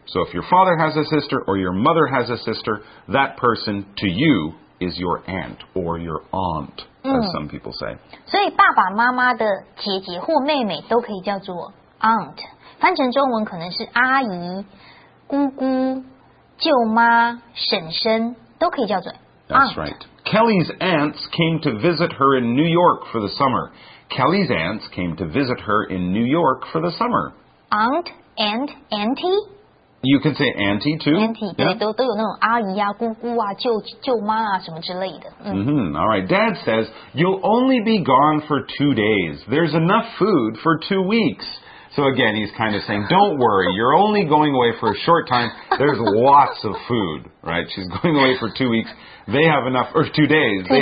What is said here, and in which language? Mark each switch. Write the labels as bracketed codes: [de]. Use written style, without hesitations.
[en] So if your father has a sister or your mother has a sister, that person to you is your aunt or your aunt. As some people say. [zh] 所以爸爸妈妈的姐姐或妹妹都可以叫做 aunt， 翻成中文可能是阿姨、姑姑、舅妈、婶婶都可以叫做 aunt. [en] That's right. Kelly's aunts came to visit her in New York for the summer. Kelly's aunts came to visit her in New York for the summer. Aunt, aunt, auntie? You can say auntie too. [zh] Auntie, 对，都有那种阿姨啊、姑姑啊、舅妈啊什么之类的。 [en] Mm-hmm. All right. Dad says, "You'll only be gone for 2 days. There's enough food for 2 weeks." So again, he's kind of saying, "Don't worry, you're only going away for a short time. There's lots of food," right? She's going away for 2 weeks. They have enough, or 2 days. Two they